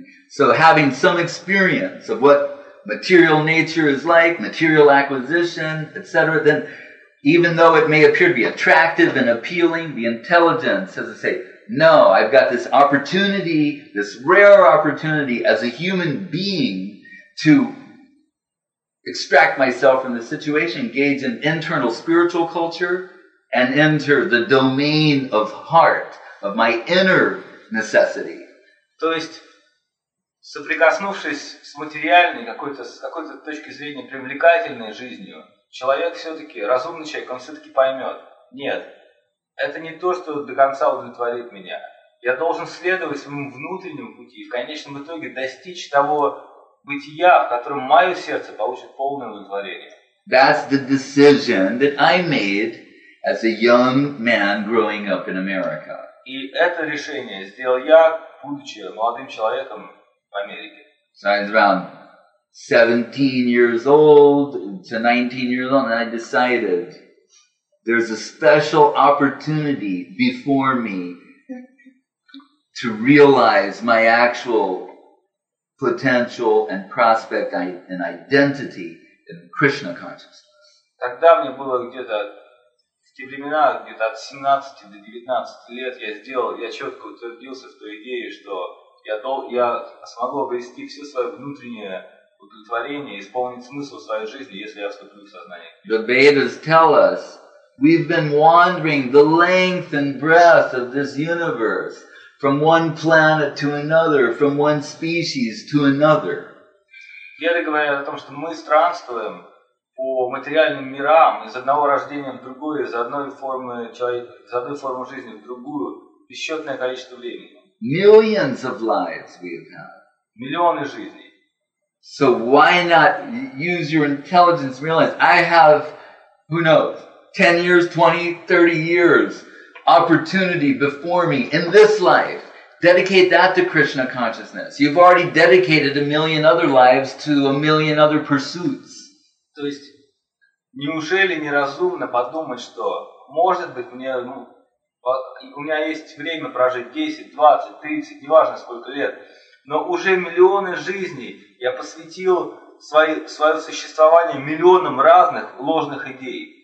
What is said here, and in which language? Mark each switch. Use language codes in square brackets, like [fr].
[en] So having some experience of what material nature is like, material acquisition, etc., then even though it may appear to be attractive and appealing, the intelligence has to say, no, I've got this opportunity, this rare opportunity as a human being to extract myself from the situation, engage in internal spiritual culture, and enter the domain of heart, of my inner necessity. [ru] То есть, соприкоснувшись с материальной какой-то точки зрения привлекательной жизнью, человек все-таки, разумный человек, он все-таки поймет, нет, это не то, что до конца удовлетворит меня. Я должен следовать своему внутреннему пути и в конечном итоге достичь того бытия, в котором мое сердце получит полное удовлетворение. [en] That's the decision that I made as a young man growing up in America. [ru] И это решение сделал я, будучи молодым человеком в Америке. [en] So I was around 17 years old to 19 years old, and I decided there's a special opportunity before me to realize my actual potential and prospect and identity in Krishna consciousness. [ru] Тогда мне было где-то в те времена, где-то от 17 до 19 лет, я четко утвердился в той идее, что я смогу обрести все свое внутреннее удовлетворение, исполнить смысл своей жизни, если я вступлю в сознание. [en] The Vedas tell us, we've been wandering the length and breadth of this universe from one planet to another, from one species to another. [ru] Веды говорят о том, что мы странствуем по материальным мирам из одного рождения в другое, из одной формы жизни в другую, бесчетное количество времени. [en] Millions of lives we have had. [ru] Миллионы жизней. [en] So why not use your intelligence and realize, I have, who knows, 10 years, 20, 30 years opportunity before me in this life. Dedicate that to Krishna consciousness. You've already dedicated a million other lives to a million other pursuits. [ru] То есть, неужели неразумно подумать, что, может быть, у меня есть время прожить 10, 20, 30, неважно сколько лет, но уже миллионы жизней я посвятил свое существование миллионам разных ложных идей.